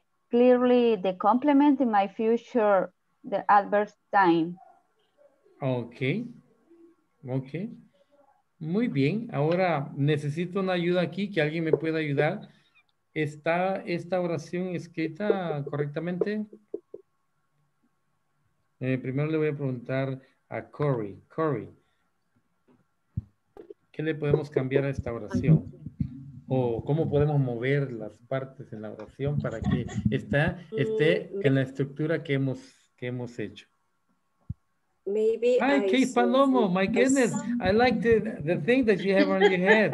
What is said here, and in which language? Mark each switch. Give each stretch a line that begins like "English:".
English: Clearly the complement in my future, the adverb time.
Spanish: Ok. Muy bien. Ahora necesito una ayuda aquí, que alguien me pueda ayudar. ¿Está esta oración escrita correctamente? Primero le voy a preguntar a Corey. Corey, ¿qué le podemos cambiar a esta oración? ¿O cómo podemos mover las partes en la oración para que esté en la estructura que hemos hecho?
English: Maybe. Hi, Kate Palomo. My goodness. I like the thing that you have on your head.